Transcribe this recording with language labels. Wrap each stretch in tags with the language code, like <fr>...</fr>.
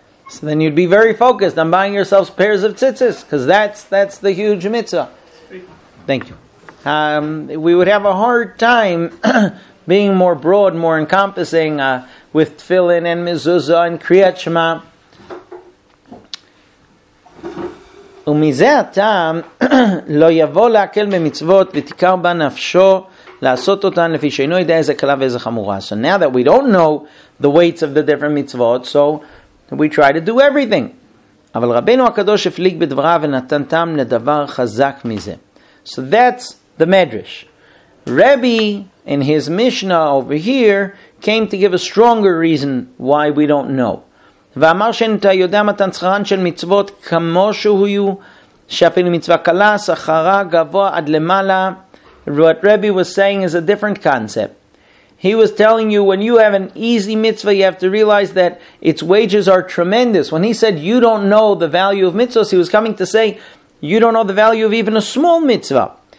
<en>So then you'd be very focused on buying yourselves pairs of tzitzis, because that's the huge mitzvah. Thank you. We would have a hard time being more broad, more encompassing with tefillin and mezuzah and kriyat shema.</en> <he>ומזה הטעם לא יבוא להקל במצוות ותיקר בה נפשו לעשות אותן לפי שאינו יודע איזה קלה ואיזה חמורה.</he> <en>So now that we don't know the weights of the different מצוות, so we try to do everything.</en> <he>אבל רבינו הקדוש הפליג בדבריו ונתן טעם לדבר חזק מזה.</he> <en>So that's the Medrash. Rebbe, in his Mishnah over here, came to give a stronger reason why we don't know.</en> <he>ואמר שאין אתה יודע מתן שכרן של מצוות כמו שהיו שאפילו מצווה קלה, שכרה גבוה עד למעלה.</he> <en>What Rebbe was saying is a different concept. He was telling you when you have an easy mitzvah, you have to realize that its wages are tremendous. When he said you don't know the value of mitzvahs, he was coming to say you don't know the value of even a small mitzvah.</en>